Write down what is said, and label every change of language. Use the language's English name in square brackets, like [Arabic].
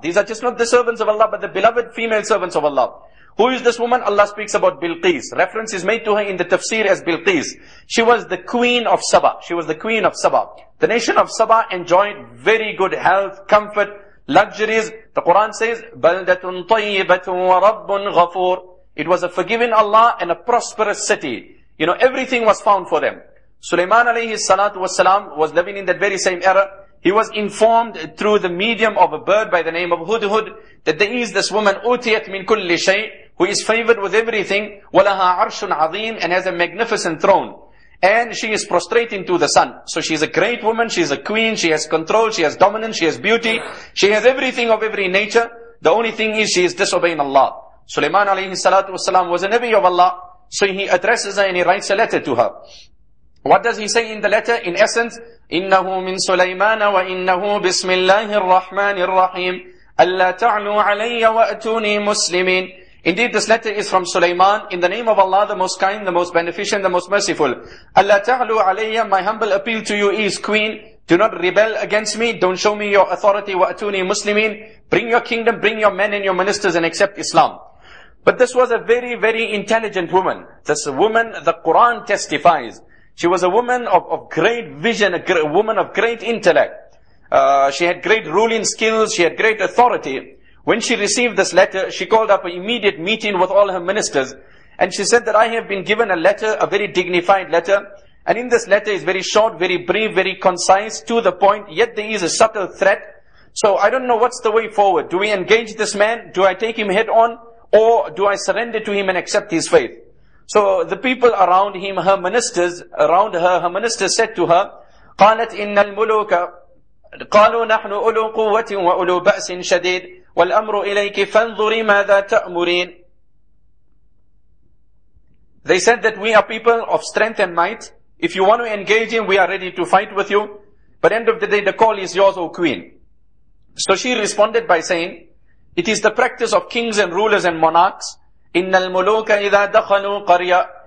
[English] These are just not the servants of Allah, but the beloved female servants of Allah. Who is this woman? Allah speaks about Bilqis. Reference is made to her in the tafsir as Bilqis. She was the queen of Saba. She was the queen of Saba. The nation of Saba enjoyed very good health, comfort, luxuries. [Arabic] The Quran says, بَلْدَةٌ طَيِّبَةٌ وَرَبٌّ غَفُورٌ. [English] It was a forgiving Allah and a prosperous city. You know, everything was found for them. Sulaiman alayhi salatu wasalam was living in that very same era. He was informed through the medium of a bird by the name of Hudhud that there is this woman, [Arabic] Utiyat min kulli shay, [English] who is favored with everything, [Arabic] walaha arshun azim, [English] and has a magnificent throne. And she is prostrating to the sun. So she is a great woman, she is a queen, she has control, she has dominance, she has beauty, she has everything of every nature. The only thing is, she is disobeying Allah. Sulaiman alayhi salatu wasalam was a Nabi of Allah. So he addresses her and he writes a letter to her. What does he say in the letter? [Arabic] In essence, إِنَّهُ مِن سُلَيْمَانَ وَإِنَّهُ بِسْمِ اللَّهِ الرَّحْمَنِ الرَّحِيمِ أَلَّا تَعْلُوا عَلَيَّ وَأَتُونِي مُسْلِمِينَ. [English] Indeed, this letter is from Sulaiman. In the name of Allah, the most kind, the most beneficent, the most merciful. Allah [Arabic] ta'alu alayya, [English] my humble appeal to you is, Queen, do not rebel against me. Don't show me your authority. [Arabic] Wa atuni muslimin. [English] Bring your kingdom, bring your men and your ministers and accept Islam. But this was a very, very intelligent woman. This woman, the Quran testifies. She was a woman of great vision, a woman of great intellect. She had great ruling skills, she had great authority. When she received this letter, she called up an immediate meeting with all her ministers. And she said that I have been given a letter, a very dignified letter. And in this letter is very short, very brief, very concise, to the point. Yet there is a subtle threat. So I don't know what's the way forward. Do we engage this man? Do I take him head on? Or do I surrender to him and accept his faith? So the people around him, her ministers, around her ministers said to her, [Arabic] قَالَتْ إِنَّ الْمُلُوكَ قَالُوا نَحْنُ أُولُو قُوَّةٍ وَأُولُو بَأْسٍ شَدِيدٍ وَالْأَمْرُ إِلَيْكِ فَانْظُرِي مَاذَا تَأْمُرِينَ. [English] They said that we are people of strength and might. If you want to engage him, we are ready to fight with you. But end of the day, the call is yours, O Queen. So she responded by saying, it is the practice of kings and rulers and monarchs. [Arabic] إِنَّ الْمُلُوكَ إِذَا دَخَلُوا قَرْيَا.